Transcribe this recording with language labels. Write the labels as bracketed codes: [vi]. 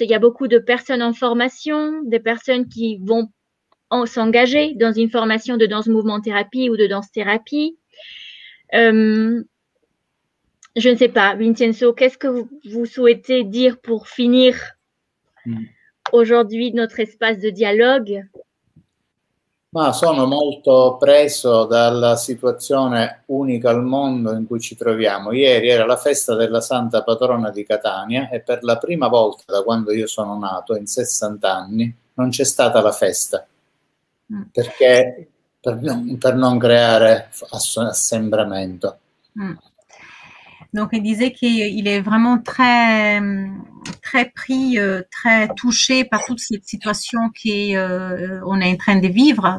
[fr] Il y a beaucoup de personnes en formation, des personnes qui vont s'engager dans une formation de danse-mouvement-thérapie ou de danse-thérapie. Je ne sais pas, Vincenzo, qu'est-ce que vous souhaitez dire pour finir aujourd'hui notre espace de dialogue? [it] Ma sono molto preso dalla situazione unica al mondo in cui ci troviamo. Ieri era la festa della Santa Patrona di Catania e per la prima volta da quando io sono nato, in 60 anni, non c'è stata la festa. Perché? Per non creare assembramento. [fr] Donc il disait qu'il est vraiment très très pris, très touché par toute cette situation qu'on est en train de vivre.